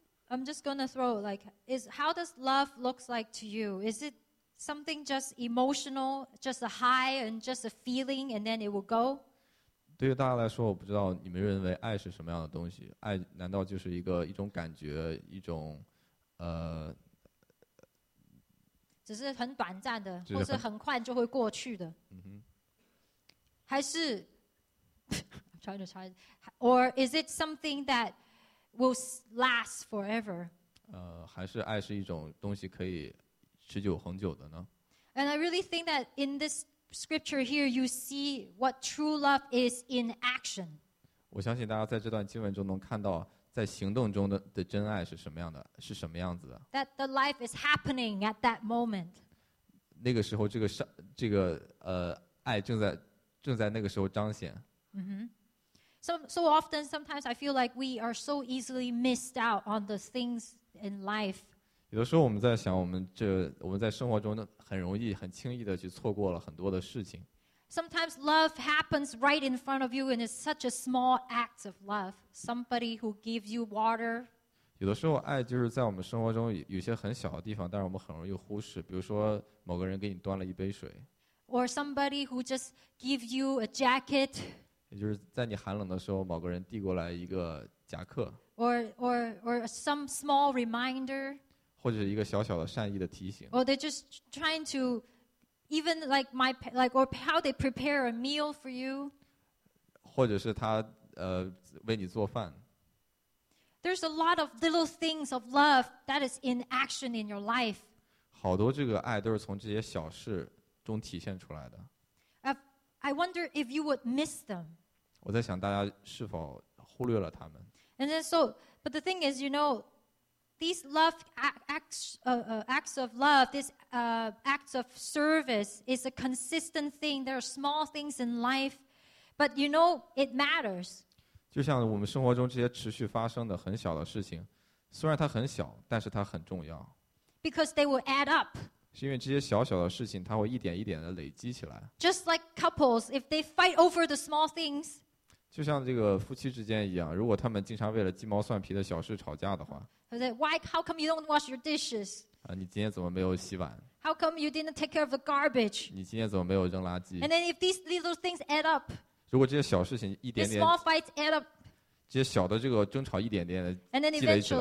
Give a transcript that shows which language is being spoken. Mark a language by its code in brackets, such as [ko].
[en] I'm just going to throw, how does love look like to you? Is it something just emotional, just a high and just a feeling, and then it will go? [zh] 对于大家来说，我不知道你们认为爱是什么样的东西。爱难道就是一种感觉，一种只是很短暂的，或是很快就会过去的？嗯、还是 [en] I'm trying to try, or is it something that will last forever. [zh] 还是爱是一种东西可以持久恒久的呢？ [en] And I really think that in this scripture here, you see what true love is in action. [zh] 我相信大家在这段经文中能看到在行动中 的真爱是什么样的，是什么样子的。 [en] That the life is happening at that moment. [zh] 那个时候这个爱正在那个时候彰显。 Mm-hmm. [en] So often, sometimes I feel like we are so easily missed out on the things in life. [zh] 有的时候我们在想，我们在生活中很容易、很轻易的去错过了很多的事情。 [en] Sometimes love happens right in front of you, and it's such a small act of love. Somebody who gives you water. [zh] 有的时候爱就是在我们生活中有些很小的地方，但是我们很容易忽视。比如说某个人给你端了一杯水。 [en] Or somebody who just gives you a jacket. [zh] 也就是在你寒冷的时候，某个人递过来一个夹克 [en] ，or some small reminder， [zh] 或者是一个小小的善意的提醒 [en] ，or they're just trying to even like my like or how they prepare a meal for you， [zh] 或者是他为你做饭。 [en] There's a lot of little things of love that is in action in your life。 [zh] 好多这个爱都是从这些小事中体现出来的。 [en] I wonder if you would miss them. [zh] 我在想大家是否忽略了他们。 [en] And then so, but the thing is, you know, these love acts of love, these acts of service is a consistent thing. There are small things in life, but you know, it matters. [zh] 就像我们生活中这些持续发生的很小的事情，虽然它很小，但是它很重要。 [en] Because they will add up. [zh] 是因为这些小小的事情，它会一点一点的累积起来。 [en] Just like couples, if they fight over the small things, [zh] 就像这个夫妻之间一样，如果他们经常为了鸡毛蒜皮的小事吵架的话 [en] ，Why? How come you don't wash your dishes? [zh] 你今天怎么没有洗碗 [en] ？How come you didn't take care of the garbage? [zh] 你今天怎么没有扔垃圾 [en] ？And then if these little things add up, [zh] 如果这些小事情一点点 [en] ，small fights add up, [zh] 这些小的这个争吵一点点的积累起来